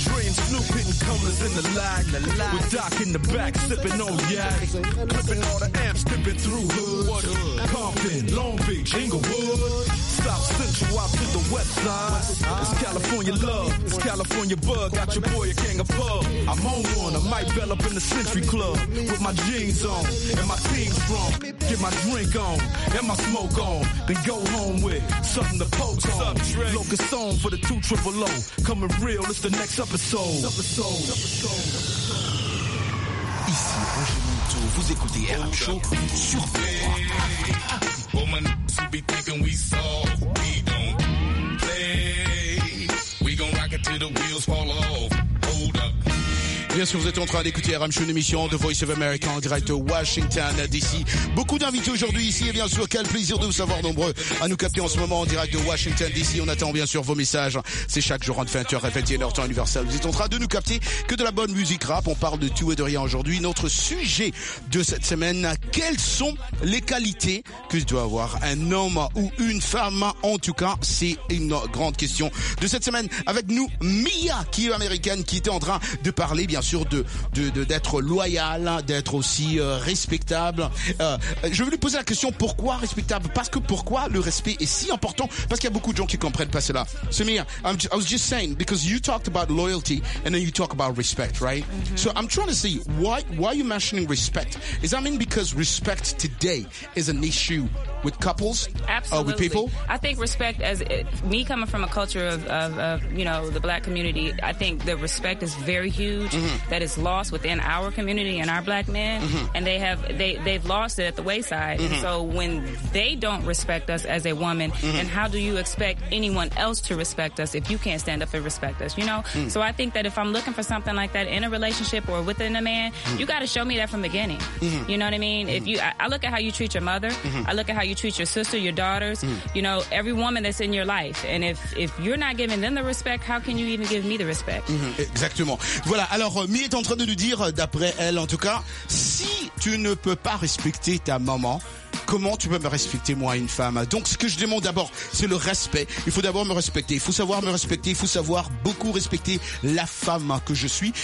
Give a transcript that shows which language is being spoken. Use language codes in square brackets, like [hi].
[en] Snoop hitting colors in the light With Doc in the back sipping on yak Clipping all the amps, dipping through hood Compton, Long Beach, Inglewood South Central out to the west side It's California love, it's California bug Got your boy a gang of pub I'm on one, I might bell up in the Century Club With my jeans on, and my team strong Get my drink on, and my smoke on Then go home with something to poke on Locust on for the 2-triple-O Coming real, it's the next episode [fr] Ici Roger Montour, vous écoutez RM Show sur [en] Facebook. We don't play. We gon' rock it till the wheels fall off. [fr] Bien sûr, vous êtes en train d'écouter RM Show, une émission de Voice of America en direct de Washington, D.C. Beaucoup d'invités aujourd'hui ici, et bien sûr, quel plaisir de vous savoir nombreux à nous capter en ce moment en direct de Washington, D.C. On attend bien sûr vos messages. C'est chaque jour entre 20h et 21h, temps universel. Vous êtes en train de nous capter que de la bonne musique rap. On parle de tout et de rien aujourd'hui. Notre sujet de cette semaine, quelles sont les qualités que doit avoir un homme ou une femme? En tout cas, c'est une grande question de cette semaine. Avec nous, Mia, qui est américaine, qui était en train de parler, bien sûr, sûr d'être loyal, d'être aussi respectable. Je vais lui poser la question, pourquoi respectable? Parce que pourquoi le respect est si important? Parce qu'il y a beaucoup de gens qui comprennent pas cela. [en] Samir, I was just saying, because you talked about loyalty and then you talk about respect, right? Mm-hmm. So I'm trying to see, why are you mentioning respect? Is that mean because respect today is an issue with couples? Absolutely. With people? I think respect, as me coming from a culture of you know, the black community, I think the respect is very huge, mm-hmm. that is lost within our community and our black men, mm-hmm. and they've lost it at the wayside. Mm-hmm. So when they don't respect us as a woman, mm-hmm. and how do you expect anyone else to respect us if you can't stand up and respect us, you know? Mm. So I think that if I'm looking for something like that in a relationship or within a man, mm. you got to show me that from the beginning. Mm-hmm. You know what I mean? Mm. I look at how you treat your mother. Mm-hmm. I look at how you treat your sister, your daughters, mm. you know, every woman that's in your life. And if you're not giving them the respect, how can you even give me the respect? [fr] Mm-hmm. Exactement. Voilà. Alors, Mie est en train de nous dire, d'après elle en tout cas, si tu ne peux pas respecter ta maman, comment tu peux me respecter, moi, une femme? Donc, ce que je demande d'abord, c'est le respect. Il faut d'abord me respecter. Il faut savoir me respecter. Il faut savoir beaucoup respecter la femme que je suis.